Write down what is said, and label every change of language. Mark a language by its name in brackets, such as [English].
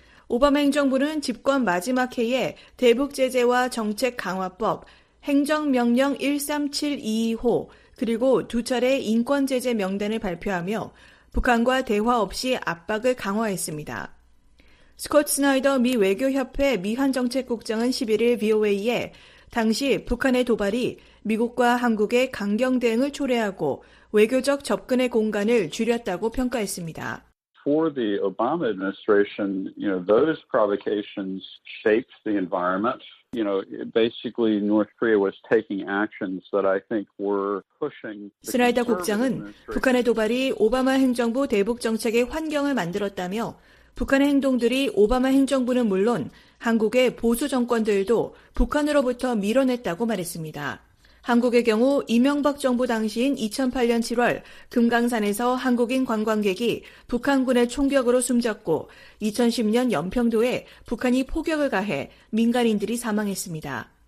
[Korean] 오바마 행정부는 집권 마지막 해에 대북 제재와 정책 강화법, 행정명령 13722호 그리고 두 차례 인권 제재 명단을 발표하며 북한과 대화 없이 압박을 강화했습니다. 스콧 스나이더 미 외교협회 미한정책국장은 11일 VOA에 당시 북한의 도발이 미국과 한국의 강경 대응을 초래하고 외교적 접근의 공간을 줄였다고 평가했습니다. [English] For the Obama administration, you know, those provocations shaped the environment. You know, basically North Korea was taking actions that I think were pushing. [Korean] 스나이더 국장은 북한의 도발이 오바마 행정부 대북 정책의 환경을 만들었다며 북한의 행동들이 오바마 행정부는 물론 한국의 보수 정권들도 북한으로부터 밀어냈다고 말했습니다. 한국의 경우 이명박 정부 당시인 2008년 7월 금강산에서 한국인 관광객이 북한군의 총격으로 숨졌고 2010년 연평도에 북한이 포격을 가해 민간인들이 사망했습니다.